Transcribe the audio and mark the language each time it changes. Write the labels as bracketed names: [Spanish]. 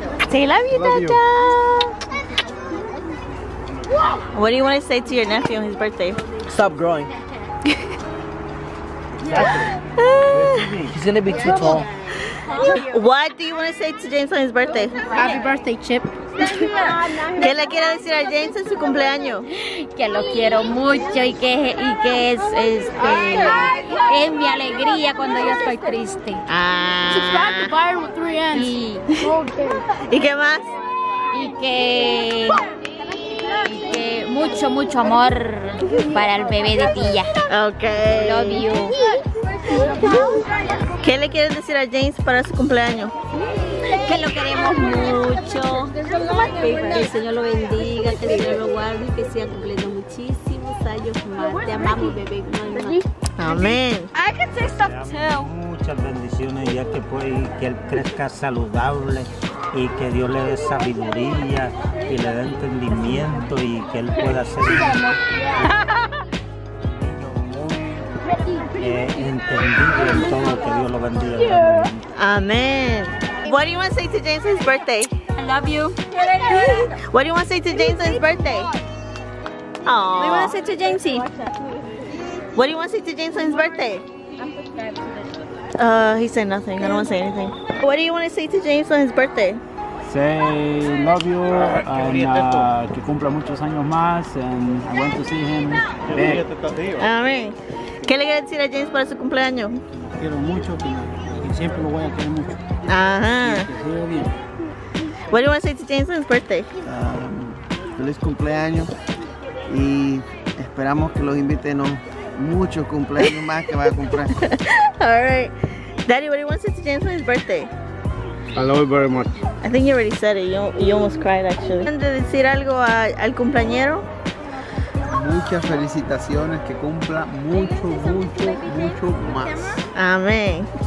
[English] Say love you, Dada. What do you want to say to your nephew on his birthday? Stop growing. Exactly. He's going to be too tall. What do you want to say to James on his birthday? Happy birthday, Chip. [Spanish] ¿Qué le quiere decir a James en su cumpleaños? Que lo quiero mucho y que es mi alegría cuando yo estoy triste. Ah. ¿Y qué más? Y que mucho, mucho amor para el bebé de tía. [English] Okay. Love you. [Spanish] ¿Qué le quieres decir a James para su cumpleaños? Que lo queremos mucho. Que el Señor lo bendiga, que el Señor lo guarde y que siga cumpliendo muchísimos años más. Te amamos, bebé. Amén. [English] I can say stuff too. [Spanish] Muchas bendiciones ya que puede que él crezca saludable. Y que Dios le dé sabiduría y le dé entendimiento y que él pueda ser un niño muy entendido en todo, que Dios lo bendiga. Amén. [English] What do you want to say to James on his birthday? I love you. What do you want to say to James on his birthday? Aww. What do you want to say to Jamesy? What do you want to say to James on his birthday? He said nothing. I don't want to say anything. What do you want to say to James on his birthday? Say love you and [Spanish] que cumpla muchos años más [English] and I want to see him. [Spanish] Amén. ¿Qué le quiere decir a James para su cumpleaños? Quiero mucho y siempre lo voy a querer mucho. Ajá. Bien. [English] What do you want to say to James on his birthday? [Spanish] Feliz cumpleaños y esperamos que los inviten muchos cumpleaños más que va a comprar. [English] Alright. Daddy, what do you want to say to James on his birthday? I love it very much. I think you already said it. You almost cried, actually. [Spanish] ¿Quieres decir algo al cumpleañero? Muchas felicitaciones. Que cumpla mucho, mucho, mucho más. Amén.